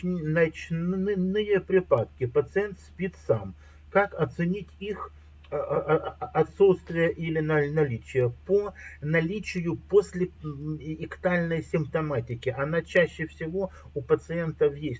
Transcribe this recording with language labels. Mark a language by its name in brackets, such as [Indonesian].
[Ukrainian] Ночні припадки, пацієнт спить сам. Як оцінити їх [Russian] відсутствие или наличие? По наличию после [Ukrainian] іктальної симптоматики. [Russian] Она чаще всего [Ukrainian] у пацієнтів є.